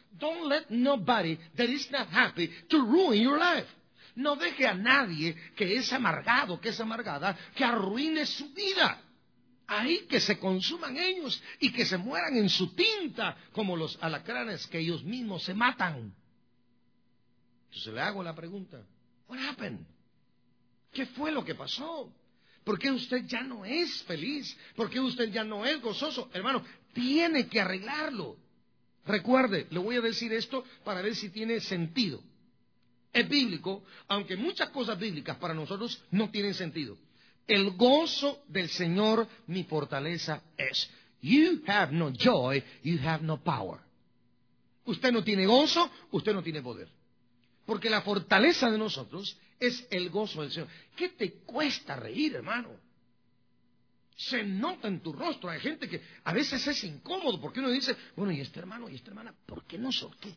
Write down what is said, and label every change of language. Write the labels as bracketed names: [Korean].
[English] Don't let nobody that is not happy to ruin your life. [Spanish] No deje a nadie que es amargado, que es amargada, que arruine su vida. Ahí que se consuman ellos y que se mueran en su tinta como los alacranes que ellos mismos se matan. Entonces le hago la pregunta, [English] what happened? [Spanish] ¿Qué fue lo que pasó? ¿Por qué usted ya no es feliz? ¿Por qué usted ya no es gozoso? Hermano, tiene que arreglarlo. Recuerde, le voy a decir esto para ver si tiene sentido. Es bíblico, aunque muchas cosas bíblicas para nosotros no tienen sentido. El gozo del Señor, mi fortaleza es. [English] You have no joy, you have no power. [Spanish] Usted no tiene gozo, usted no tiene poder. Porque la fortaleza de nosotros es el gozo del Señor. ¿Qué te cuesta reír, hermano? Se nota en tu rostro. Hay gente que a veces es incómodo porque uno dice, bueno, ¿y este hermano y esta hermana? ¿Por qué no son?